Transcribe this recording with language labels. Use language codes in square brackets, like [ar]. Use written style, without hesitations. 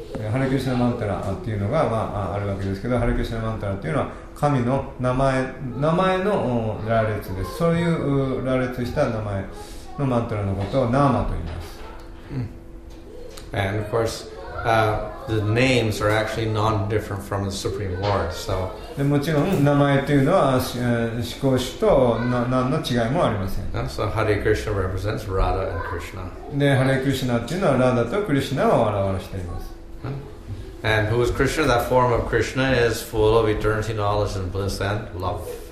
[ja] ハレクリシュナマントラっていうのが、まあ、あるわけですけど、ハレクリシュナマントラっていうのは神の名前の羅列です。そういう羅列した名前のマントラのことをナーマと言います。 [en] And of course、the names are actually non-different from the Supreme Lord、so. [ja] でもちろん名前というのは思考主と何の違いもありません。 [en] So Hare Krishna represents Radha and Krishna。 [ja] で、ハレクリシュナっていうのはラダとクリシュナを表しています。 [en] And who is Krishna? That form of Krishna is full of eternity, knowledge, and bliss, and love.